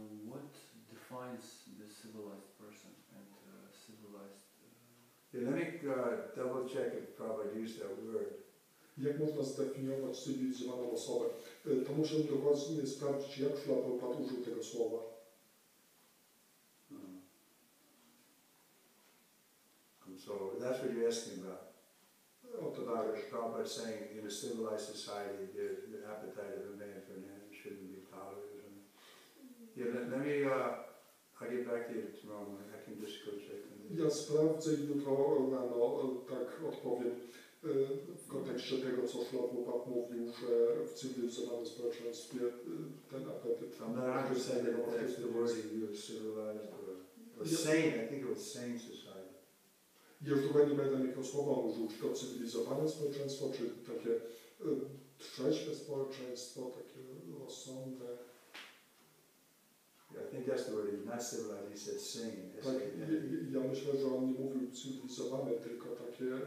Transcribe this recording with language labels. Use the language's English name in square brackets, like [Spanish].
[English] What defines the civilized person and civilized... Yeah, let me double check if Prabhupada used that word. [Polish] Jak można zdefiniować cywilizowaną osobę? To muszę dokładnie sprawdzić, jak Śla Prabhupada użył tego słowa. Hmm. [English] So that's what you're asking about. [Polish] O to dalej. [English] Prabhupada saying in a civilized society the appetite of a man for an end shouldn't be tolerated. Yeah, let me I'll get back to you tomorrow morning. I can just go check on this. [Polish] Ja sprawdzę jutro rano, tak odpowiem. W kontekście tego, co Śla Prabhupada mówił, że w cywilizowanym społeczeństwie ten apetyt... [English] I'm not understanding that that's the word you use, civilized or sane, I think it was sane society. [Polish] Ja tutaj nie będę jego słowa użył, czy to cywilizowane społeczeństwo, czy takie trzeźwe społeczeństwo, takie rozsądne. [English] I think that's the word, not civilized, he said sane. [Polish] Tak, ja myślę, że on nie mówił cywilizowane, tylko takie...